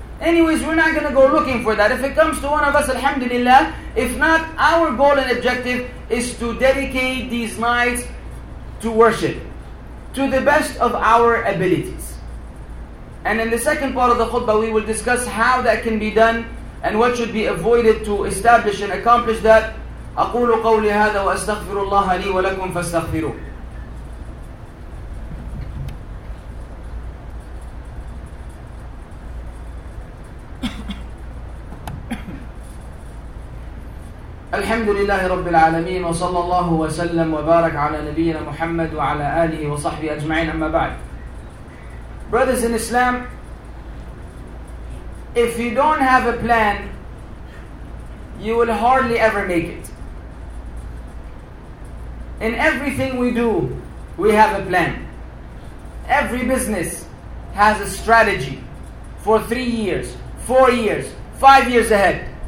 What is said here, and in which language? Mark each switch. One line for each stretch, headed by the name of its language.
English: Anyways, we're not going to go looking for that. If it comes to one of us, alhamdulillah, if not, our goal and objective is to dedicate these nights to worship to the best of our abilities. And in the second part of the khutbah, we will discuss how that can be done and what should be avoided to establish and accomplish that.
Arabic: أقول قولي هذا وأستغفر الله لي ولكم فاستغفروا. الحمد لله رب العالمين وصلى الله وسلم وبارك على نبينا محمد وعلى آله وصحبه أجمعين أما بعد.
English: Brothers in Islam, if you don't have a plan, you will hardly ever make it. In everything we do, we have a plan. Every business has a strategy for 3 years, 4 years, 5 years ahead.